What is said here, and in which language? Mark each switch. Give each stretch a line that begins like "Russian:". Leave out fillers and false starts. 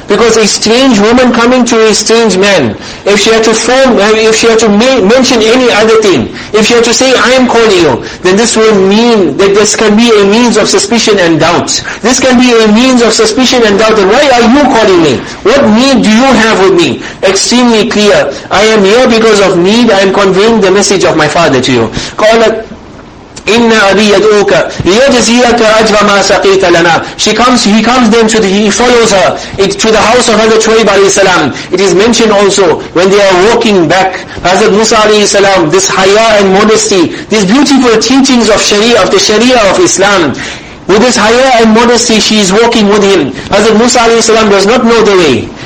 English: Because a strange woman coming to a strange man, if she had to mention any other thing, if she had to say, I am calling you, then this will mean that this can be a means of suspicion and doubt. This can be a means of suspicion and doubt. Then why are you calling me? What need do you have with me? extremely clear. I am here because of need. I am conveying the message of my father to you.
Arabic: قالت إن أبي يدعوك ليجزيك أجر ما سقيت لنا.
English: She comes. He comes then to the. He follows her to the house of Hazrat Shuaib alayhi salam. It is mentioned also when they are walking back. Hazrat Musa alayhi salam. This haya and modesty. These beautiful teachings of Sharia, of the Sharia of Islam. With this haya and modesty, she is walking with him. Hazrat Musa alayhi salam does not know the way.